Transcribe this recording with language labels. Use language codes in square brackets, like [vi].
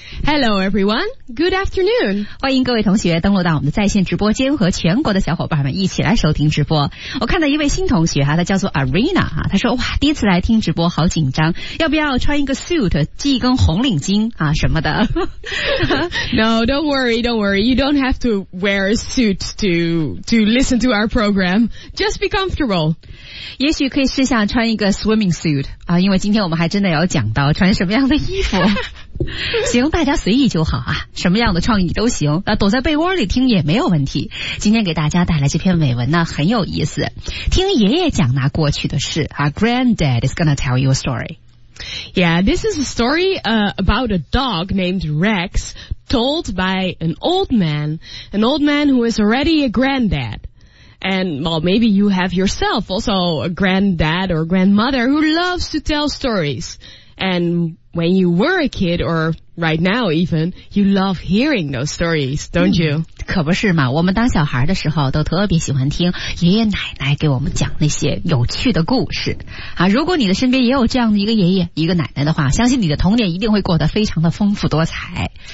[en] Hello everyone, good afternoon. [zh] 欢迎各位同学登录到我们的在线直播间和全国的小伙伴们一起来收听直播。我看到一位新同学啊，他叫做 Arena 啊，他说哇，第一次来听直播，好紧张，要不要穿一个 suit, 系一根红领巾啊什么的。 [en] No, don't worry, you don't have to wear a suit to listen to our program. Just be comfortable. [zh] 也许可以试下穿一个 swimming suit 啊，因为今天我们还真的有讲到穿什么样的衣服。行，大家随意就好啊，什么样的创意都行啊，躲在被窝里听也没有问题。今天给大家带来这篇美文呢，很有意思，听爷爷讲那过去的事啊。 [en] Granddad is gonna tell you a story. Yeah, this is a story about a dog named Rex told by an old man who is already a granddad. And, well, maybe you have yourself also a granddad or grandmother who loves to tell stories. And when you were a kid, or right now even, you love hearing those stories, don't you? [zh] 可不是嘛，我们当小孩的时候都特别喜欢听爷爷奶奶给我们讲那些有趣的故事。啊，如果你的身边也有这样的一个爷爷，一个奶奶的话，相信你的童年一定会过得非常的丰富多彩。